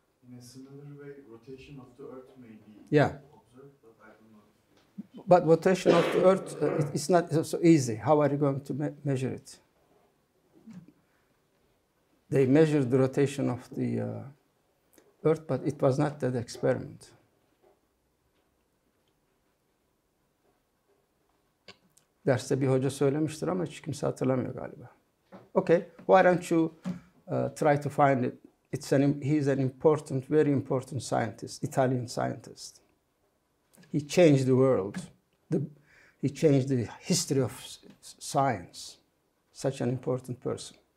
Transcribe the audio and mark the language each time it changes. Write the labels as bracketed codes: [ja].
[en] In a similar way, rotation of the Earth may be observed, but I do not. But rotation of the Earth, it's not so easy. How are you going to measure it? They measured the rotation of the Earth, but it was not that experiment. [tr] Derste bir hoca söylemiştir ama hiç kimse hatırlamıyor galiba. [en] Okay, why don't you try to find it? He's an important, very important scientist, Italian scientist. He changed the world. He changed the history of science. Such an important person.